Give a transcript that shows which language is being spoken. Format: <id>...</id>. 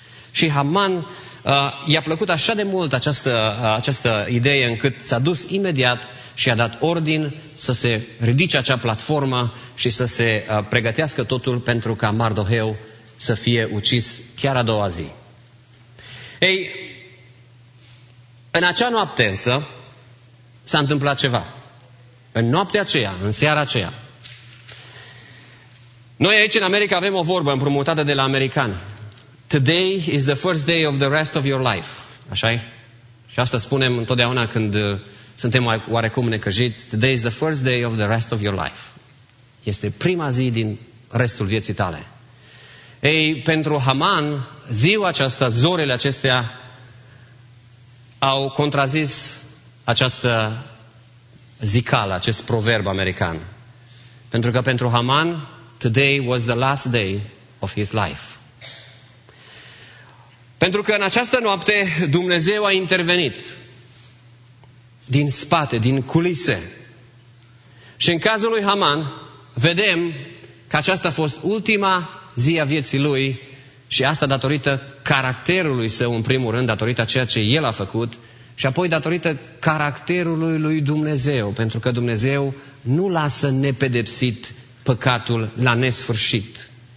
<ro>Și Haman i-a plăcut așa de mult această idee, încât s-a dus imediat și a dat ordin să se ridice acea platformă și să se pregătească totul pentru ca Mardoheu să fie ucis chiar a doua zi. Ei, În acea noapte însă s-a întâmplat ceva. În noaptea aceea, în seara aceea. Noi aici în America avem o vorbă împrumutată de la american.</ro> <en>Today is the first day of the rest of your life.</en> <ro>Așa e? Și asta spunem întotdeauna când suntem oarecum necăjiți.</ro> <en>Today is the first day of the rest of your life.</en> <ro>Este prima zi din restul vieții tale. Ei, pentru Haman, ziua aceasta, zorile acestea au contrazis această zicală, acest proverb american. Pentru că pentru</ro> <en>Haman, today was the last day of his life.</en> <ro>Pentru că în această noapte Dumnezeu a intervenit din spate, din culise. Și în cazul lui Haman, vedem că aceasta a fost ultima zi a vieții lui și asta datorită caracterului său, în primul rând, datorită ceea ce el a făcut și apoi datorită caracterului lui Dumnezeu, pentru că Dumnezeu nu lasă nepedepsit păcatul la nesfârșit.</ro>